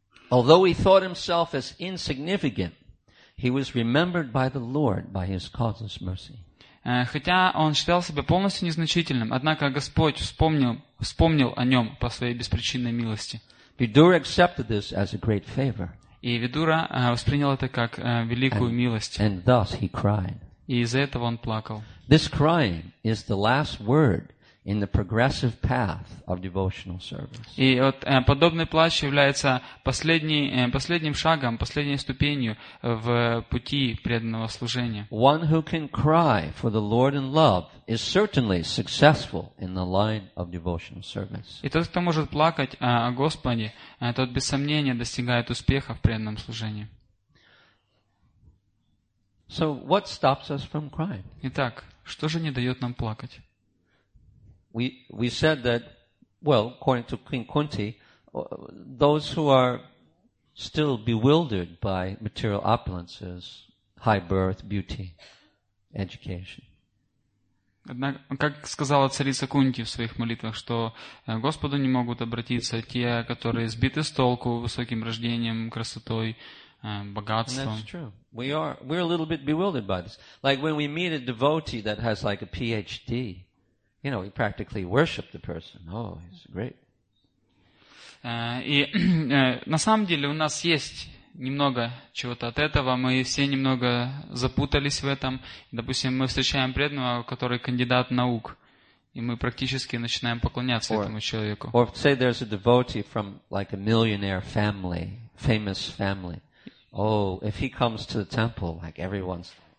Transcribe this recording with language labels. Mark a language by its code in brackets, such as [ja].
[en] Although he thought himself as insignificant, he was remembered by the Lord by His causeless mercy. [ru] Хотя он считал себя полностью незначительным, однако Господь вспомнил о нем по своей беспричинной милости. [en] Vidura accepted this as a great favor. [ru] И Видура воспринял это как великую милость. [en] And thus he cried. [ru] И из-за этого он плакал. [en] This crying is the last word in the progressive path of devotional service. [ru] И вот подобный плач является последним шагом, последней ступенью в пути преданного служения. [en] One who can cry for the Lord in love is certainly successful in the line of devotional service. [ru] И тот, кто может плакать о Господе, тот без сомнения достигает успеха в преданном служении. [en] So what stops us from crying? [ru] Итак, что же не дает нам плакать? [en] We said that, well, according to Queen Kunti, those who are still bewildered by material opulences, high birth, beauty, education. [ru] Однако, как сказала царица Кунти в своих молитвах, что Господу не могут обратиться те, которые сбиты с толку высоким рождением, красотой, богатством. [en] And that's true. We're a little bit bewildered by this. Like when we meet a devotee that has like a PhD. You know, we practically worship the person. Oh, he's great. [ru] И на самом деле у нас есть немного чего-то от этого. Мы все немного запутались в этом. Допустим, мы встречаем преданного, который кандидат наук, и мы практически начинаем поклоняться этому человеку. [en] Or say there's a devotee from like a millionaire family, famous family. Oh, if he comes to the temple, like everyone's.